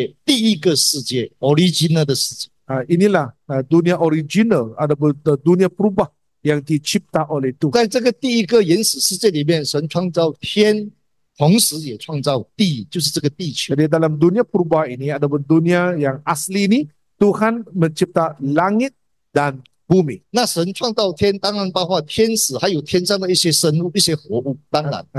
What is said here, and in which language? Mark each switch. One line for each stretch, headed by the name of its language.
Chinese: 原来这第一节就是神最初创造的原始世界，第一个世界，original的世界。
Malay: Inilah dunia original, ada dunia perubah yang dicipta oleh Tuhan.
Chinese: 在这个第一个原始世界里面，神创造天，同时也创造地，就是这个地球。
Malay: Jadi dalam dunia perubah ini, ada dunia yang asli ini, Tuhan mencipta langit dan bumi.
Chinese: 那神创造天，当然包括天使，还有天上的一些生物、一些活物，当然。